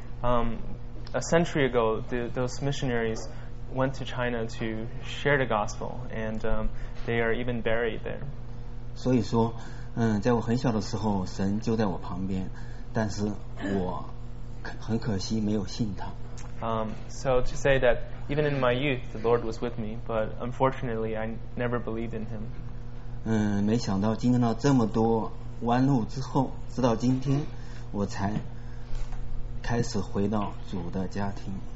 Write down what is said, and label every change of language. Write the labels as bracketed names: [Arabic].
[English] A century ago, those missionaries went to China to share the gospel, and they are even buried there. [Chinese] 所以说在我很小的时候神就在我旁边，但是我很可惜没有信他。 [English] So to say that even in my youth the Lord was with me, but unfortunately I never believed in him. [Chinese] 没想到经历了这么多弯路之后，直到今天我才开始回到主的家庭。